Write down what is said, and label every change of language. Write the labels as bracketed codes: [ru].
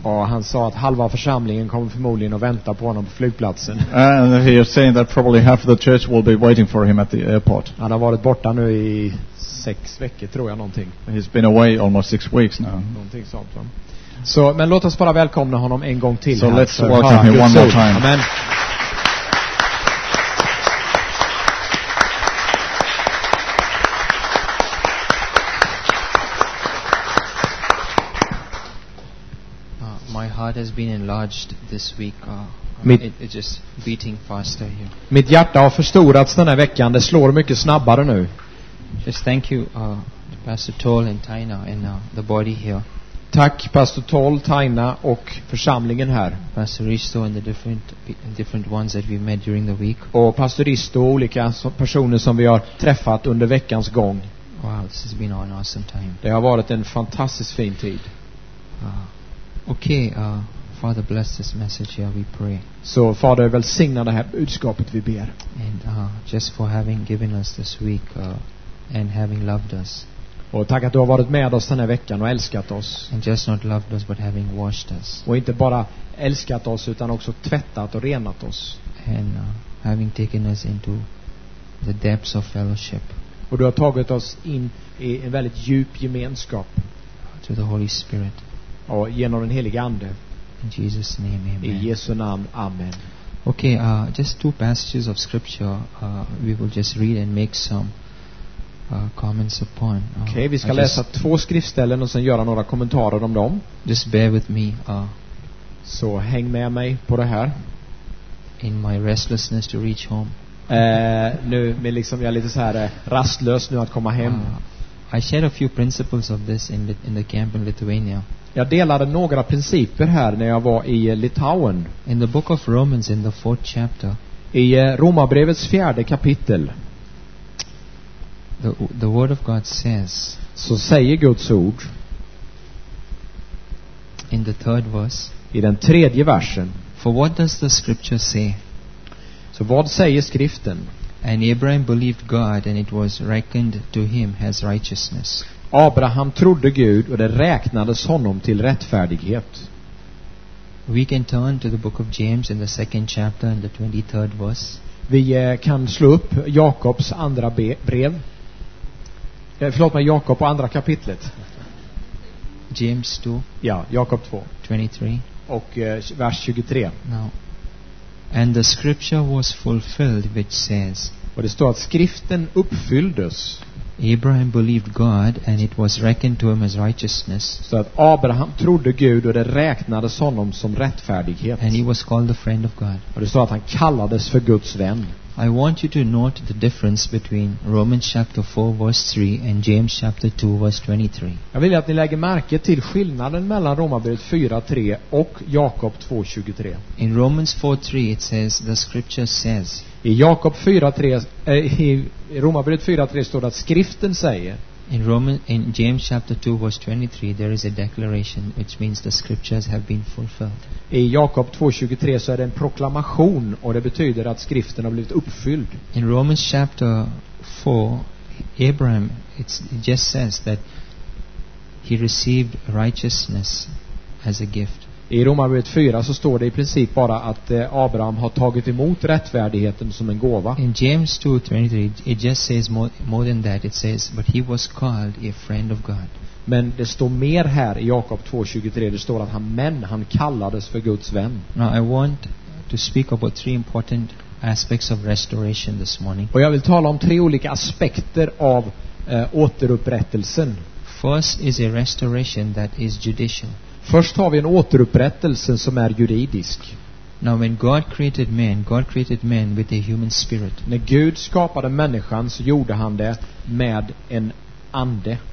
[sv] Och han sa att halva församlingen kommer förmodligen att vänta på honom på flygplatsen. [en] And he is saying that probably half of the church will be waiting for him at the airport. [sv] Han har varit borta nu i 6 veckor tror jag någonting. [en] He's been away almost 6 weeks now. [sv] Någonting sånt. Så men låt oss bara välkomna honom en gång till. [en] So let's welcome him one more time. Amen. Has been enlarged this week. It's just beating faster here. [sv] Mitt hjärta har förstorats den här veckan. Det slår mycket snabbare nu. [en] Just thank you, Pastor Tol and Taina and the body here. [sv] Tack Pastor Tol, Taina och församlingen här. [en] Pastor Risto and the different ones that we've met during the week. [sv] Och Pastor Risto och olika personer som vi har träffat under veckans gång. [en] Wow, this has been an awesome time. [sv] Det har varit en fantastiskt fin tid. [en] Okay, Father, bless this message here, we pray. [sv] Så Fader, välsigna det här budskapet vi ber. [en] And just for having given us this week and having loved us. [sv] Och tack att du har varit med oss den här veckan och älskat oss. [en] And just not loved us but having washed us. [sv] Och inte bara älskat oss utan också tvättat och renat oss. [en] And having taken us into the depths of fellowship. [sv] Och du har tagit oss in i en väldigt djup gemenskap. [en] To the Holy Spirit. [sv] Och genom den heliga ande. [en] In Jesus name, amen. [sv] I Jesu namn, amen. [en] Okay, just two passages of scripture we will just read and make some comments upon. [sv] Okay, vi ska läsa två skriftställen och sen göra några kommentarer om dem. [en] Just bear with me. [sv] Så häng med mig på det här. [en] In my restlessness to reach home. [sv] Nu med liksom jag är lite så här rastlös nu att komma hem. [en] I shared a few principles of this in the camp in Lithuania. [sv] Jag delade några principer här när jag var i Litauen. [en] In the book of Romans in the fourth chapter. [sv] I Romarbrevets fjärde kapitel. [en] The word of God says. [sv] Så säger Guds ord. [en] In the third verse. [sv] I den tredje versen. [en] For what does the scripture say? [sv] Så vad säger skriften? [en] And Abraham believed God and it was reckoned to him as righteousness. [sv] Abraham trodde Gud och det räknades honom till rättfärdighet. [en] We can turn to the book of James in the second chapter and the 23rd verse. [sv] Vi kan slå upp Jakobs andra brev. Förlåt mig, Jakob och andra kapitlet. [en] James 2. [sv] Ja, Jakob 2. 23. Och vers 23. [en] Now, and the scripture was fulfilled which says. [sv] Och det står att skriften uppfylldes. [en] Abraham believed God and it was reckoned to him as righteousness. [sv] Så att Abraham trodde Gud och det räknades honom som rättfärdighet. [en] And he was called the friend of God. [sv] Och det står att han kallades för Guds vän. [en] I want you to note the difference between Romans chapter 4 verse 3 and James chapter 2 verse 23. [sv] Jag vill att ni lägger märke till skillnaden mellan Romarbrevet 4:3 och Jakob 2:23. [en] In Romans 4:3 it says the scripture says. [sv] I Romarbrevet 4:3 står det att skriften säger. [en] In James chapter 2 verse 23 there is a declaration which means the scriptures have been fulfilled. [sv] I Jakob 2:23 så är det en proklamation och det betyder att skriften har blivit uppfylld. [en] In Romans chapter 4 Abraham it just says that he received righteousness as a gift. [sv] I Romarbrevet 4 så står det i princip bara att Abraham har tagit emot rättfärdigheten som en gåva. [en] In James 2:23 it just says more than that, it says but he was called a friend of God. [sv] Men det står mer här i Jakob 2:23, det står att han kallades för Guds vän. [en] Now I want to speak about three important aspects of restoration this morning. [sv] Och jag vill tala om tre olika aspekter av återupprättelsen. [en] First is a restoration that is judicial. [sv] Först har vi en återupprättelse som är juridisk. [en] Now when God created man with a human spirit. [sv] När Gud skapade människan så gjorde han det med en ande.